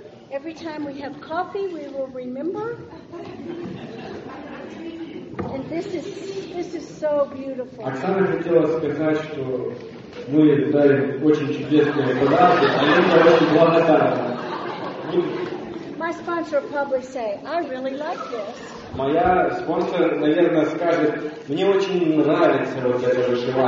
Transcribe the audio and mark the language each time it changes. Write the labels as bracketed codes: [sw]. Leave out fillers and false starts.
[en] Every time we have coffee, we will remember. And this is so beautiful. [ru] Оксана хотела сказать, что мы дали очень чудесные подарки, а мы очень благодарны. [en] My sponsor will probably say, I really like this. [ru] Моя спонсор, наверное, скажет, мне очень нравится вот это вышивание.